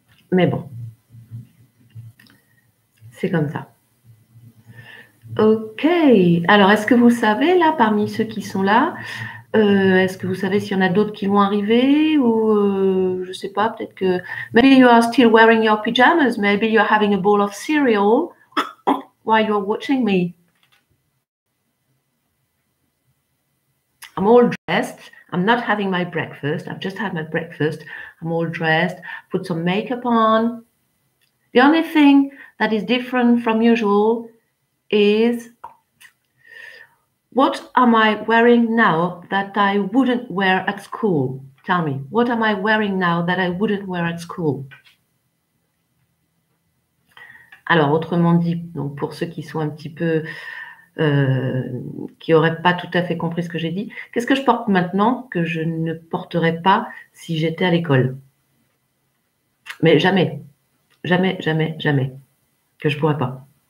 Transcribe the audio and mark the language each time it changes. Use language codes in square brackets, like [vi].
[fr] Mais bon, c'est comme ça. Ok, alors est-ce que vous savez là, parmi ceux qui sont là, est-ce que vous savez s'il y en a d'autres qui vont arriver ou je ne sais pas, peut-être que... [en] Maybe you are still wearing your pajamas, maybe you are having a bowl of cereal while you are watching me. I'm all dressed. I'm not having my breakfast. I've just had my breakfast. I'm all dressed, put some makeup on. The only thing that is different from usual is what am I wearing now that I wouldn't wear at school? Tell me, what am I wearing now that I wouldn't wear at school? [fr] Alors, autrement dit, donc pour ceux qui sont un petit peu... qui n'auraient pas tout à fait compris ce que j'ai dit. Qu'est-ce que je porte maintenant que je ne porterais pas si j'étais à l'école? Mais jamais, jamais, jamais, jamais, que je pourrais pas.